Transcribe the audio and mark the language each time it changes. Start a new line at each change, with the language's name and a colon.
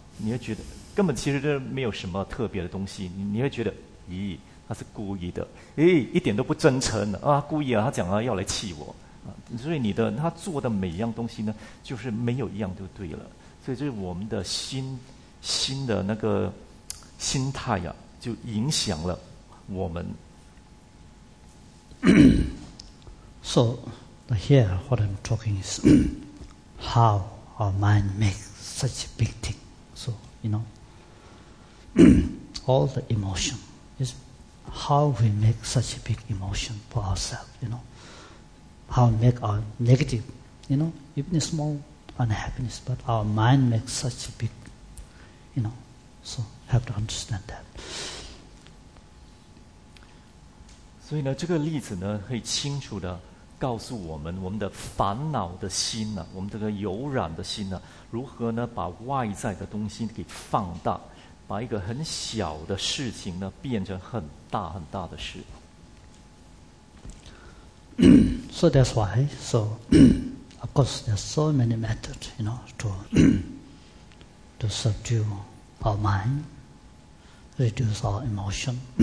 Chinese: 你会觉得根本其实这没有什么特别的东西，你会觉得咦，他是故意的，咦，一点都不真诚啊，故意啊，他讲了要来气我啊，所以你的他做的每一样东西呢就是没有一样就对了。所以就是我们的心的那个心态呀，就影响了我们。
English: So here what I'm talking is how our mind makes such a big thingYou know, all the emotion is how we make such a big emotion for ourselves, you know. How we make our negative, you know, even a small unhappiness, but our mind makes such a big, you know. So, have to understand that.
Chinese: 所以呢，这个例子呢，可以清楚的告诉我们，我们的烦恼的心呢，我们这个有染的心呢，如何呢把外在的东西给放大，把一个很小的事情呢变成很大很大的事。
English: So that's why, so of course there's so many methods, you know, to subdue our mind, reduce our emotion.